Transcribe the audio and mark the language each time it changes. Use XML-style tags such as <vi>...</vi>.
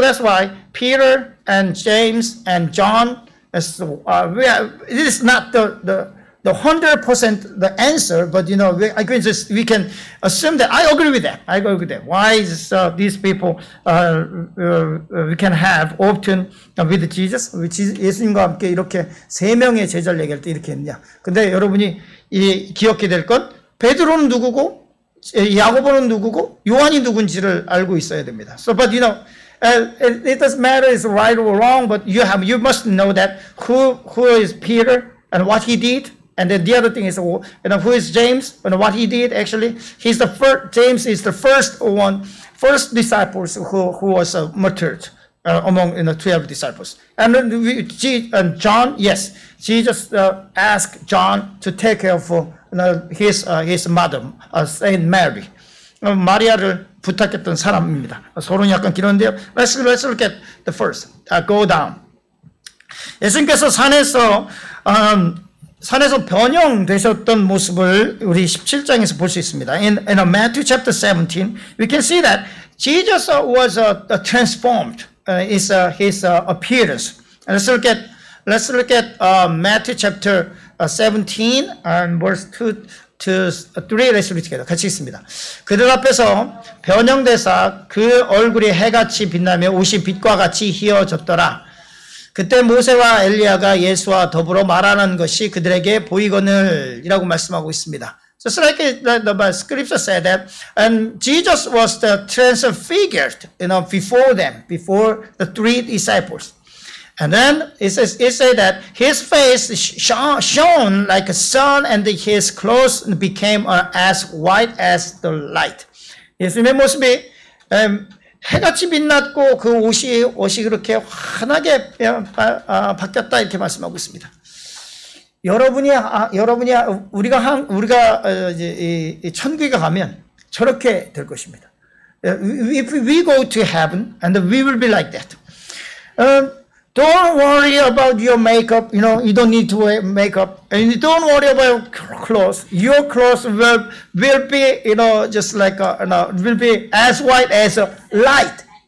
<en>That's why Peter and James and John. This is not the 100% the answer, but we can assume that I agree with that. Why is these people we can have often with Jesus?</en> <ko>예수님과 함께 이렇게 세 명의 제자를 얘기할 때 이렇게 했냐? 근데 여러분이 기억해야 될 건 베드로는 누구고? 야고보는 누구고 요한이 누군지를 알고 있어야 됩니다.</ko> <en>So, but it doesn't matter is right or wrong, but you must know that who is Peter and what he did, and then the other thing is who is James and what he did. Actually, he's the first. James is the first one, first disciples who was martyred among 12 disciples. And then John, yes, Jesus asked John to take care of his mother, Saint Mary.</en> <ko>마리아를 부탁했던 사람입니다. 소론이 약간 길었는데요.</ko> <en>Let's look at the first. Go down.</en> <ko>예수님께서 산에서 변형되셨던 모습을 우리 17장에서 볼 수 있습니다.</ko> <en>In Matthew chapter 17, we can see that Jesus was transformed. His appearance. Let's look at Matthew chapter 17 and verse 2 to 3. Let's read together.</en> <ko>같이 있습니다. 그들 앞에서 변형되사 그 얼굴이 해같이 빛나며 옷이 빛과 같이 희어졌더라. 그때 모세와 엘리야가 예수와 더불어 말하는 것이 그들에게 보이거늘이라고 말씀하고 있습니다.</ko> <en>So like the scripture said that, and Jesus was the transfigured, before them, before the three disciples. And then it says that his face shone like a sun, and his clothes became as white as the light.</en> <ko>예수님의 모습이 해같이 빛났고 그 옷이 그렇게 환하게 바뀌었다 이렇게 말씀하고 있습니다. 여러분이 여러분이 우리가 한 우리가 이제 천국에 가면 저렇게 될 것입니다.</ko> <en>If we go to heaven and we will be like that. Don't worry about your makeup. You know, you don't need to wear makeup. And you don't worry about your clothes. Your clothes will be, you know, just like, will be as white as a light.</en>